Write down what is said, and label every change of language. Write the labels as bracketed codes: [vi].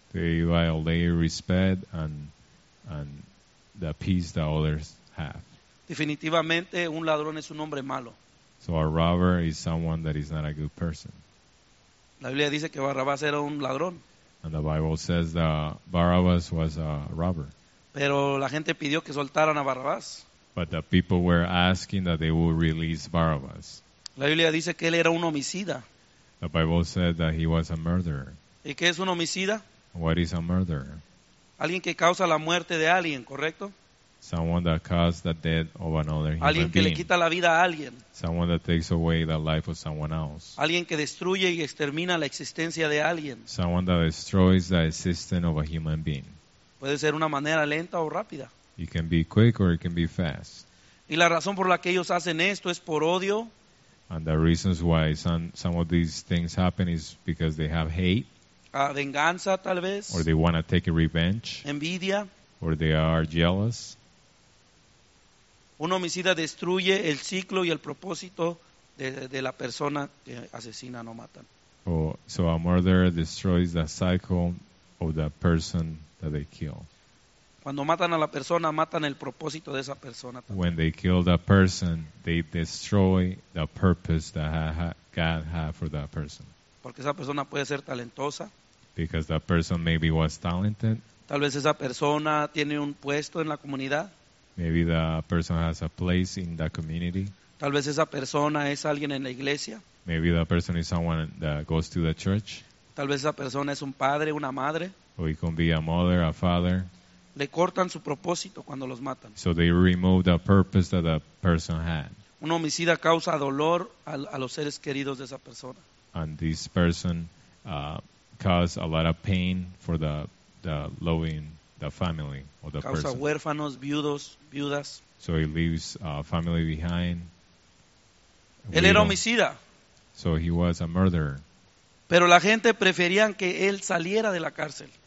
[en] They violate respect and the peace that others have. [es] Definitivamente un ladrón es un hombre malo. [en] So a robber is someone that is not a good person. [es] La Biblia dice que Barrabás era un ladrón. [en] And the Bible says that Barabbas was a robber. [es] Pero la gente pidió que soltaran a Barrabás. [en] But the people were asking that they would release Barabbas. [es] La Biblia dice que él era un homicida. [en] The Bible said that he was a murderer. [es] ¿Y qué es un homicida? [en] What is a murderer? [es] Alguien que causa la muerte de alguien, ¿correcto? [en] Someone that caused the death of another human [es] alguien que [en] being. [es] Le quita la vida a alguien. [en] Someone that takes away the life of someone else. [es] Alguien que destruye y extermina la existencia de alguien. [en] Someone that destroys the existence of a human being. [es] Puede ser una manera lenta o rápida. [en] It can be quick or it can be fast. [es] Y la razón por la que ellos hacen esto es por odio. [en] And the reasons why some of these things happen is because they have hate. [es] Venganza, tal vez. [en] Or they want to take a revenge. [es] Envidia. [en] Or they are jealous. [es] Un homicida destruye el ciclo y el propósito de la persona que asesina o matan. [en] Oh, so a murderer destroys the cycle of the person that they kill. [es] Cuando matan a la persona, matan el propósito de esa persona. [en] When they kill that person, they destroy the purpose that God had for that person. [es] Porque esa persona puede ser talentosa. [en] Because that person maybe was talented. [es] Tal vez esa persona tiene un puesto en la comunidad. [en] Maybe the person has a place in the community. [es] Tal vez esa persona es alguien en la iglesia. [en] Maybe the person is someone that goes to the church. [es] Tal vez esa persona es un padre, una madre. [en] Or it can be a mother, a father. [es] Le cortan su propósito cuando los matan. [en] So they remove the purpose that the person had. [es] Un homicida causa dolor a los seres queridos de esa persona. [en] And this person caused a lot of pain for the loving the family or the [es] causa Causa huérfanos, viudos, viudas. [en] So he leaves family behind. [es] Él era homicida. [en] So he was a murderer. [es] Pero la gente preferían que él saliera de la cárcel.